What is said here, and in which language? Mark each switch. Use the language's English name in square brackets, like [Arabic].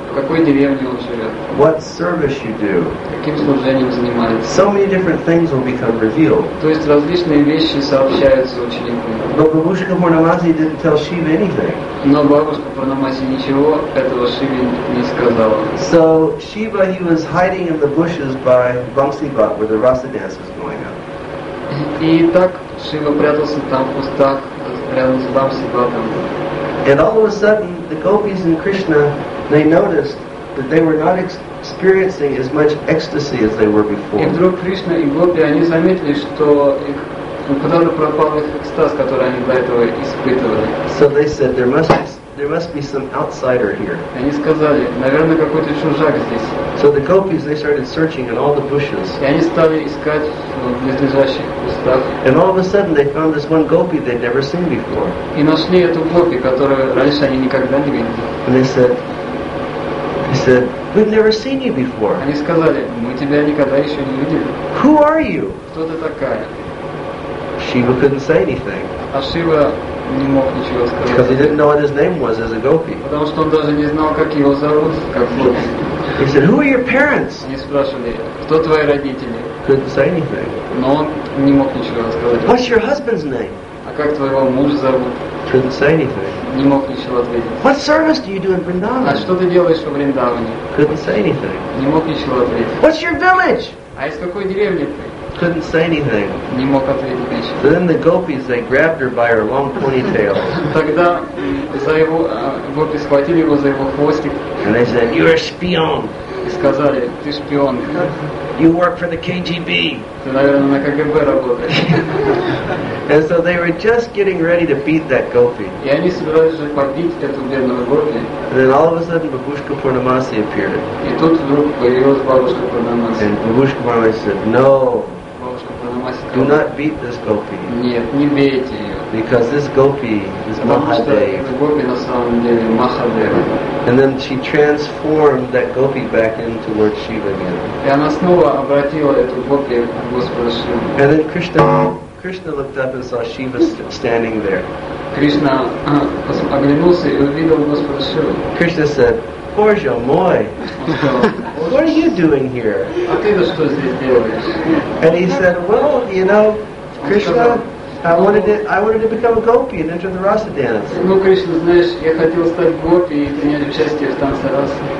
[Russian] В какой деревне он живет? [English] What service you do? [Russian] Каким служением занимается? [English] So many different things will become revealed. [Russian] То есть различные вещи сообщаются ученику. [English] Но Бабушка Пурнамаси didn't tell Shiva anything. [Russian] Но Бабушка Пурнамаси ничего этого Шиве не сказала. [English] So Shiva, he was hiding in the bushes by Bansibat, where the rasa dance was going on. [Russian] И так Шива прятался там в кустах рядом с Бансибатом. [English] And all of a sudden, the gopis and Krishna, they noticed that they were not experiencing as much ecstasy as they were before. [Russian] И вдруг Кришна и гопи, они заметили, что куда-то пропал их экстаз, который они до этого испытывали. [English] So they said, there must be some outsider here. [Russian] Они сказали, наверное, какой-то чужак здесь. [English] So the gopis, they started searching in all the bushes. [Russian] И они стали искать в близлежащих кустах. [English] And all of a sudden, they found this one gopi they'd never seen before. [Russian] И нашли эту гопи, которую раньше они никогда не видели. [English] And they said, "We've never seen you before." [Russian] Они сказали, мы тебя никогда еще не видели. [English] Who are you? [Russian] Кто ты такая? [English] Shiva couldn't say anything. [Russian] А Шива не мог ничего сказать. [English] Because he didn't know what his name was as a gopi. [Russian] Потому что он даже не знал, как его зовут, как гопи. [English] He said, "Who are your parents?" [Russian] Не спрашивали, кто твои родители. [English] Couldn't say anything. [Russian] Но он не мог ничего сказать. [English] What's your husband's name? [Russian] А как твоего мужа зовут? [English] Couldn't say anything. [Russian] Не мог ничего ответить. [English] What service do you do in Vrindavan? [Russian] А что ты делаешь во Вриндаване? [English] Couldn't say anything. [Russian] Не мог ничего ответить. [English] What's your village? [Russian] А из какой деревни ты? [English] Couldn't say anything. [Russian] Не мог ответить ничего. [English] Then the gopis, they grabbed her by her long ponytail. [Russian] Тогда за его гопи схватили его за его хвостик. [English] And they said, "You're a spion." [Russian] И сказали, ты шпион. [English] You work for the KGB. [Russian] Ты, наверное, на КГБ работаешь. [English] And so they were just getting ready to beat that gopi. [Russian] И они собирались же побить эту бедную гопи. [English] And then all of a sudden, Бабушка Пурнамаси appeared. [Russian] И тут вдруг появилась Бабушка Пурнамаси. [English] And Бабушка Пурнамаси said, "No. Do not beat this gopi." [Russian] Нет, не бейте ее. [English] Because this gopi is Mahadev. And then she transformed that gopi back into Lord Shiva again. [Russian] И она снова обратила эту гопи в Господа Шиву. [English] And then Krishna looked up and saw Shiva standing there. [Russian] Кришна оглянулся и увидел Господа Шиву. [English] Krishna said, [Russian] "Borja moi, [English] what are you doing here?" [Russian] А ты что здесь делаешь? [English] And he said, "Well, you know, Krishna, I wanted to become a gopi and enter the rasa dance. [Russian] Ну, Кришна, знаешь, я хотел стать гопи и принять участие в танце расы.